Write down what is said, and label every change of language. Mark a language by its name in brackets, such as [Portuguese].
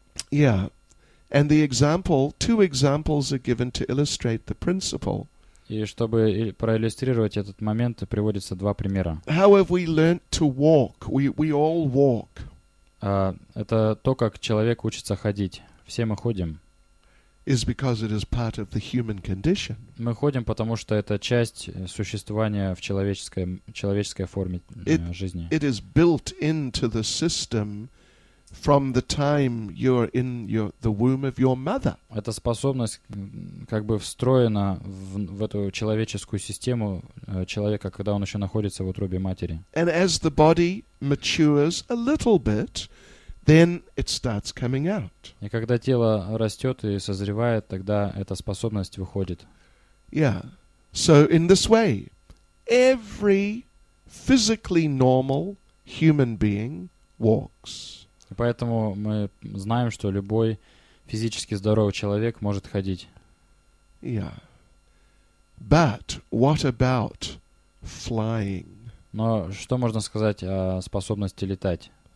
[English] Yeah, and the example, two examples are given to illustrate the principle. [Russian] И чтобы проиллюстрировать этот момент, приводятся два примера. [English] How have we learned to walk? We all walk. [Russian] Это то, как человек учится ходить. Все мы ходим. [English] Is because it is part of the human condition. [Russian] Мы ходим, потому что это часть существования в человеческой форме жизни. [English] It is built into the system from the time you're in the womb of your mother. [Russian] Эта способность как бы встроена в эту человеческую систему человека, когда он еще находится в утробе матери. [English] And as the body matures a little bit, then it starts coming out. [Russian] И когда тело растет и созревает, тогда эта способность выходит. [English] Yeah. So in this way, every physically normal human being walks. [Russian] И поэтому мы знаем, что любой физически здоровый человек может ходить. [English] Yeah. But what about flying? [Russian] Но что можно сказать о способности летать?